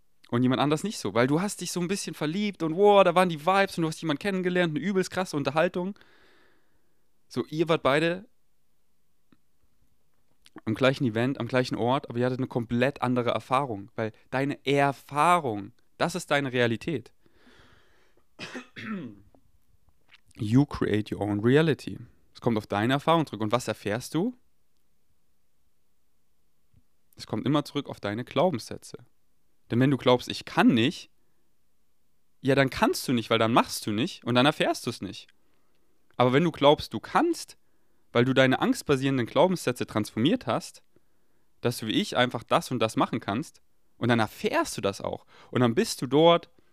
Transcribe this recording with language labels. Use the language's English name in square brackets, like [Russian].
[German] Und jemand anders nicht so, weil du hast dich so ein bisschen verliebt und wow, da waren die Vibes und du hast jemanden kennengelernt, eine übelst krasse Unterhaltung. So, ihr wart beide am gleichen Event, am gleichen Ort, aber ihr hattet eine komplett andere Erfahrung, weil deine Erfahrung, das ist deine Realität. [English] You create your own reality. [German] Es kommt auf deine Erfahrung zurück. Und was erfährst du? Es kommt immer zurück auf deine Glaubenssätze. Denn wenn du glaubst, ich kann nicht, ja, dann kannst du nicht, weil dann machst du nicht und dann erfährst du es nicht. Aber wenn du glaubst, du kannst, weil du deine angstbasierenden Glaubenssätze transformiert hast, dass du wie ich einfach das und das machen kannst, und dann erfährst du das auch. Und dann bist du dort.